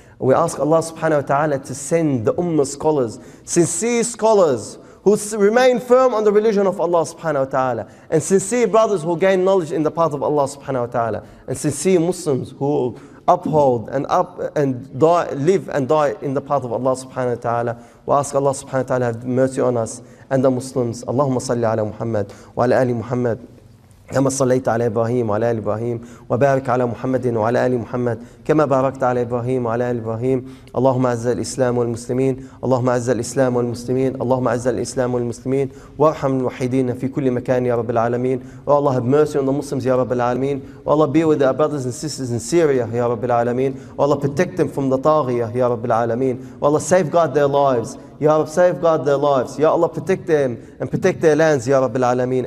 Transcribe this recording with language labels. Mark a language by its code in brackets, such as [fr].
[en] We ask Allah subhanahu wa ta'ala to send the ummah scholars, sincere scholars who remain firm on the religion of Allah subhanahu wa ta'ala, and sincere brothers who gain knowledge in the path of Allah subhanahu wa ta'ala, and sincere Muslims who uphold and up and die, live and die in the path of Allah subhanahu wa ta'ala. We ask Allah subhanahu wa ta'ala have mercy on us and the Muslims. [ar] Allahumma salli ala Muhammad wa ala ali Muhammad. كما صليت على إبراهيم وعلى آل إبراهيم وبارك على محمد وعلى آل محمد كما باركت على إبراهيم وعلى آل إبراهيم اللهم أعز الإسلام والمسلمين اللهم أعز الإسلام والمسلمين اللهم أعز الإسلام والمسلمين وارحم الوحيدين في كل مكان يا رب العالمين والله [en] have mercy on the Muslims [ar] يا رب العالمين والله [en] be with our brothers and sisters in Syria [ar] يا رب العالمين والله [en] protect them from the [ar] طاغية يا رب العالمين والله [en] safeguard their lives. Ya Rab, safeguard their lives. Ya Allah, protect them and protect their lands, Ya Rabbil Alameen.